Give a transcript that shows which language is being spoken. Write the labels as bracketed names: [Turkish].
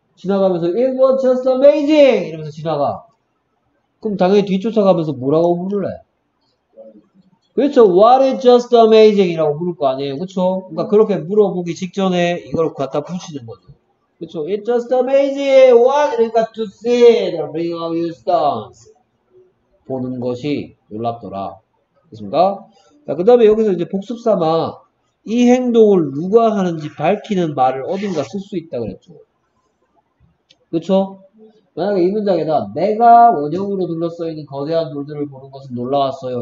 [Korean] 지나가면서 [English] It was just amazing! [Korean] 이러면서 지나가. 그럼 당연히 뒤쫓아가면서 뭐라고 부를래? 그렇죠. [English] What is just amazing? [Korean] 이라고 부를 거 아니에요. 그렇죠. 그러니까 그렇게 물어보기 직전에 이걸 갖다 붙이는 거죠. 그렇죠. [English] It's just amazing. What? [Korean] 그러니까 [English] to see the ring of your stones. [Korean] 보는 것이 놀랍더라. 그렇습니까? 자, 그 다음에 여기서 이제 복습 삼아 이 행동을 누가 하는지 밝히는 말을 어딘가 쓸 수 있다 그랬죠. 그렇죠? 만약에 이 문장에다 내가 원형으로 둘러싸여 있는 거대한 돌들을 보는 것은 놀라웠어요.